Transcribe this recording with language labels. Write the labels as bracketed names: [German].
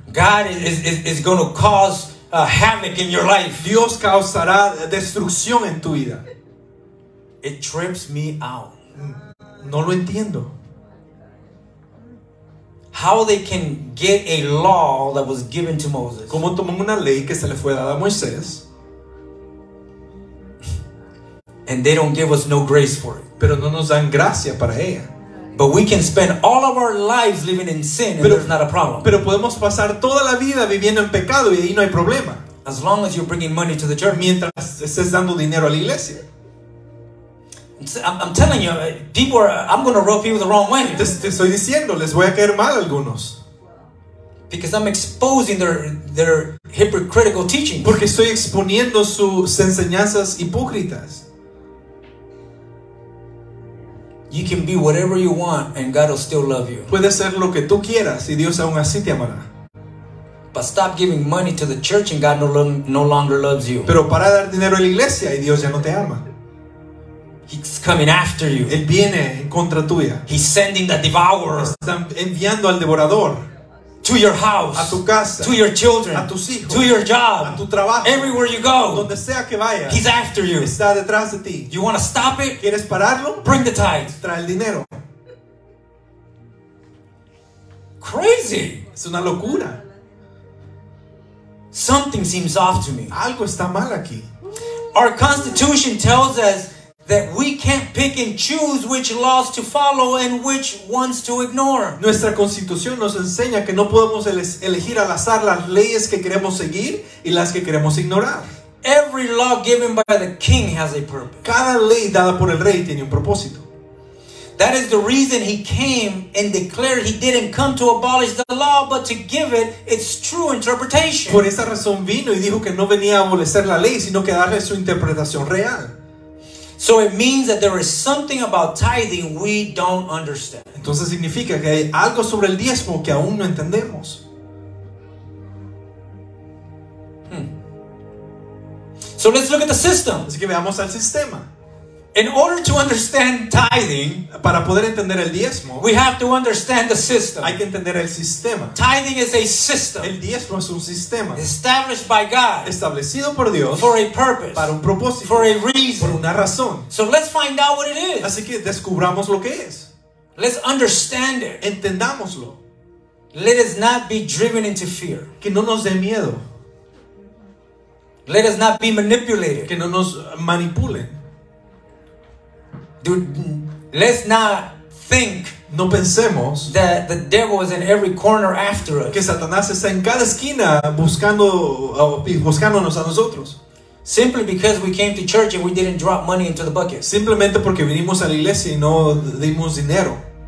[English] God is going to cause a havoc in your life. [Spanish] Dios causará destrucción en tu vida. [English] It trips me out. [Spanish] No lo entiendo. [English] How they can get a law that was given to Moses? [Spanish] ¿Cómo toman una ley que se le fue dada a Moisés? [English] And they don't give us no grace for it. [Spanish] Pero no nos dan gracia para ella. [English] But we can spend all of our lives living in sin, and there's not a problem. [Spanish] Pero podemos pasar toda la vida viviendo en pecado y ahí no hay problema. [English] As long as you're bringing money to the church, [Spanish] mientras estés dando dinero a la iglesia. [English] I'm telling you, I'm going to rub people the wrong way. [Spanish] Te estoy diciendo, les voy a caer mal a algunos. [English] Because I'm exposing their hypocritical teachings. [Spanish] Porque estoy exponiendo sus enseñanzas hipócritas. [English] You can be whatever you want and God will still love you. [Spanish] Puedes ser lo que tú quieras y Dios aún así te amará. [English] But stop giving money to the church and God no longer loves you. [Spanish] Pero para dar dinero a la iglesia y Dios ya no te ama. [English] He's coming after you. [Spanish] Él viene en contra tuya. [English] He's sending the devourer. [Spanish] Está enviando al devorador. [English] To your house. [Spanish] A tu casa. [English] To your children. [Spanish] A tus hijos. [English] To your job. [Spanish] A tu trabajo. [English] Everywhere you go. [Spanish] Donde sea que vayas. [English] He's after you. [Spanish] Está detrás de ti. [English] You want to stop it? [Spanish] ¿Quieres pararlo? [English] Bring the tithe. [Spanish] Trae el dinero. [English] Crazy. [Spanish] Es una locura. [English] Something seems off to me. [Spanish] Algo está mal aquí. [English] Our constitution tells us that we can't pick and choose which laws to follow and which ones to ignore. [Spanish] Nuestra constitución nos enseña que no podemos elegir al azar las leyes que queremos seguir y las que queremos ignorar. [English] Every law given by the king has a purpose. [Spanish] Cada ley dada por el rey tiene un propósito. [English] That is the reason he came and declared he didn't come to abolish the law but to give it its true interpretation. [Spanish] Por esa razón vino y dijo que no venía a abolecer la ley sino que darle su interpretación real. [English] So it means that there is something about tithing we don't understand. [Spanish] Entonces significa que hay algo sobre el diezmo que aún no entendemos. [English] So let's look at the system. [Spanish] Así que veamos al sistema. [English] In order to understand tithing, [Spanish] para poder entender el diezmo, [English] we have to understand the system. [Spanish] Hay que entender el sistema. [English] Tithing is a system. [Spanish] El diezmo es un sistema. [English] Established by God. [Spanish] Establecido por Dios. [English] For a purpose. [Spanish] Para un propósito. [English] For a reason. [Spanish] Por una razón. [English] So let's find out what it is. [Spanish] Así que descubramos lo que es. [English] Let's understand it. [Spanish] Entendámoslo. [English] Let us not be driven into fear. [Spanish] Que no nos dé miedo. [English] Let us not be manipulated. [Spanish] Que no nos manipulen. [English] Dude, let's not think [Spanish] no pensemos [English] that the devil is in every corner after us. [Spanish] Que Satanás está en cada esquina buscando buscándonos a nosotros. [English] Simply because we came to church and we didn't drop money into the bucket. [Spanish] Simplemente porque vinimos a la iglesia y no dimos dinero.